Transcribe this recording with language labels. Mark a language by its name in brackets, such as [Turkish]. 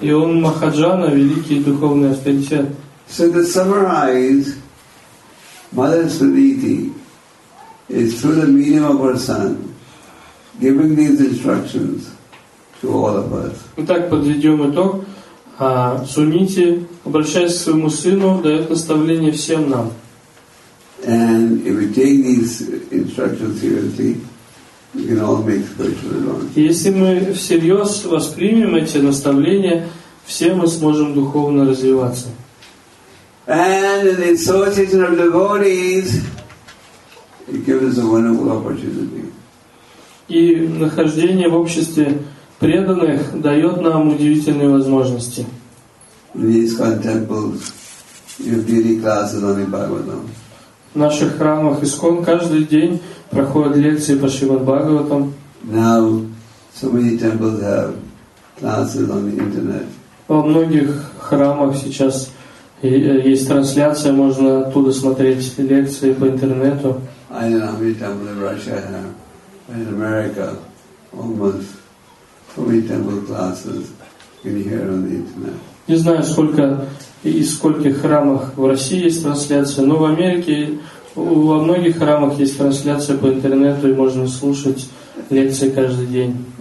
[Russian] И он Махаджана, великий духовный авторитет. [English] So to summarize, Mother Suniti is through the medium of her son giving these instructions to all of us. [Russian] Итак, подведем итог. Сунити, обращаясь к своему сыну, дает наставление всем нам. [English] And if we take these instructions seriously, we can all make spiritual advancement. [Russian] Если мы всерьез воспримем эти наставления, все мы сможем духовно развиваться. [English] And in the association of devotees, it gives us a wonderful opportunity. [Russian] И нахождение в обществе преданных дает нам удивительные возможности. [English] In ISKCON temples, you have daily classes on the Bhagavatam. [Russian] В наших храмах ИСКОН каждый день проходят лекции по Шримад Бхагаватам. [English] Now, so many temples have classes on the internet. [Russian] Во многих храмах сейчас есть трансляция, можно оттуда смотреть лекции по интернету. [English] I don't know how many temples in Russia have. In America, almost so many temple classes can you hear on the internet. [Russian] Не знаю, сколько и в скольких храмах в России есть трансляция, но в Америке во многих храмах есть трансляция по интернету, и можно слушать лекции каждый день.